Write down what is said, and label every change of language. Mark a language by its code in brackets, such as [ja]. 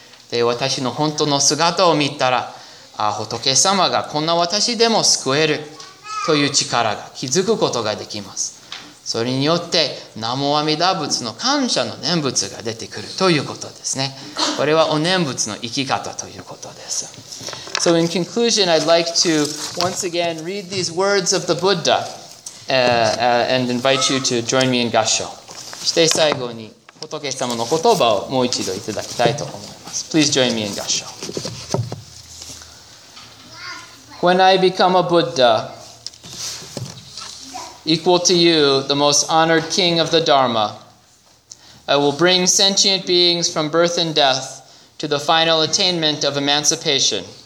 [ja] で、私の本当の姿を見たら、ああ仏様がこんな私でも救えるという力が気づくことができます。それによって、南無阿弥陀仏の感謝の念仏が出てくるということですね。これはお念仏の生き方ということです。 [en] So in conclusion, I'd like to once again read these words of the Buddha and invite you to join me in Gassho. [ja] そして最後に仏様の言葉をもう一度いただきたいと思います。 [en] Please join me in Gassho. When I become a Buddha,equal to you, the most honored king of the Dharma, I will bring sentient beings from birth and death to the final attainment of emancipation.